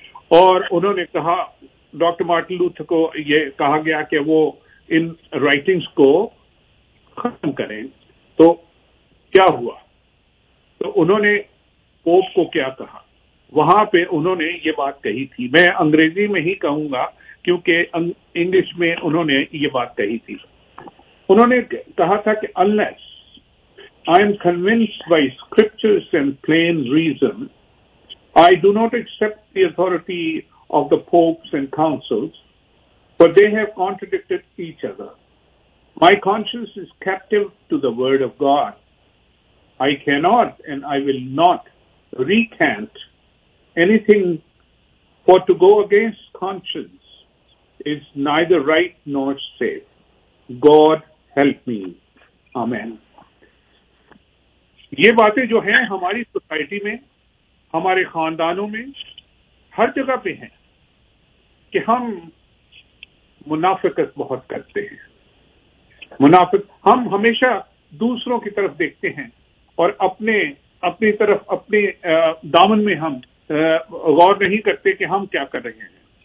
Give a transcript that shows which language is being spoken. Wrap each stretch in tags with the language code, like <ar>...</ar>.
<ur>اور انہوں نے کہا، ڈاکٹر مارٹن لوتھر کو یہ کہا گیا کہ وہ ان رائٹنگز کو ختم کریں. تو کیا ہوا؟ تو انہوں نے پوپ کو کیا کہا؟ وہاں پہ انہوں نے یہ بات کہی تھی، میں انگریزی میں ہی کہوں گا کیونکہ انگلش میں انہوں نے یہ بات کہی تھی. انہوں نے کہا تھا کہ</ur> <en>unless I am convinced by scriptures and plain reason, I do not accept the authority of the popes and councils, for they have contradicted each other. My conscience is captive to the word of God. I cannot and I will not recant anything, for to go against conscience is neither right nor safe. God help me. Amen.</en> <ur>یہ باتیں جو ہیں ہماری society میں، ہمارے خاندانوں میں، ہر جگہ پہ ہیں کہ ہم منافقت بہت کرتے ہیں. منافق ہم ہمیشہ دوسروں کی طرف دیکھتے ہیں اور اپنی طرف، اپنے دامن میں ہم غور نہیں کرتے کہ ہم کیا کر رہے ہیں.</ur>